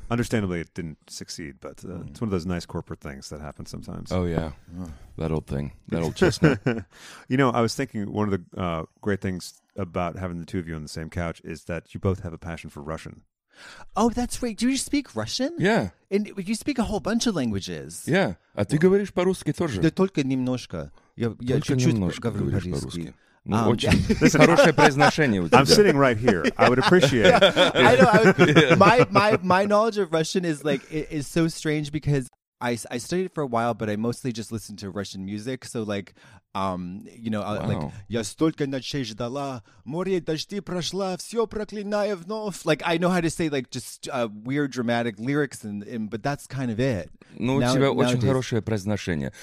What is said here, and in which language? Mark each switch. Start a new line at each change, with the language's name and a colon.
English: Understandably, it didn't succeed, but it's one of those nice corporate things that happen sometimes. Oh, yeah. That old thing. That old chestnut. You know, I was thinking one of the great things about having the two of you on the same couch is that you both have a passion for Russian. Oh, that's right. Do you speak Russian? Yeah. And you speak a whole bunch of languages. Yeah.
Russian: А ты говоришь по-русски тоже? Да только немножко. Я чуть-чуть немножко говорю по-русски. Ну, очень хорошее произношение у тебя.
English: I'm sitting right here. I would appreciate it. My knowledge of Russian is like is so strange because I studied it for a while, but I mostly just listened to Russian music. So like, you know, wow.
Russian: Like я столько ночей ждала, море дожди прошла, все проклинаю вновь.
English: Like I know how to say like just weird dramatic lyrics, and but that's kind of it.
Russian: Ну, у тебя очень хорошее произношение.